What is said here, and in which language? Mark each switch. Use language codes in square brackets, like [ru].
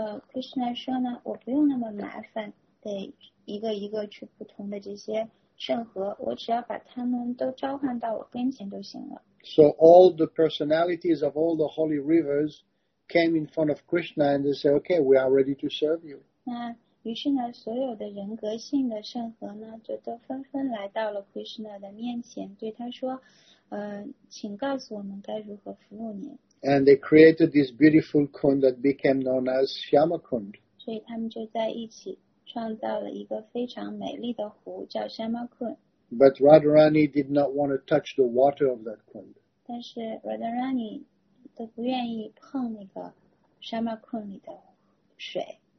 [zh] Krishna 说呢，我不用那么麻烦，得一个一个去不同的这些圣河，我只要把他们都召唤到我跟前就行了。 [en] So all the personalities of all the holy rivers came in front of Krishna and they said, okay, we are ready to serve you. [zh] 那于是呢，所有的人格性的圣河呢，就都纷纷来到了 Krishna 的面前，对他说，请告诉我们该如何服务您。 [en] And they created this beautiful kund that became known as Shyamakund. [zh] 所以他们就在一起创造了一个非常美丽的湖叫 Shyamakund. [en] But Radharani did not want to touch the water of that kund. [zh] 但是 Radharani 都不愿意碰那个 Shyamakund 里的水。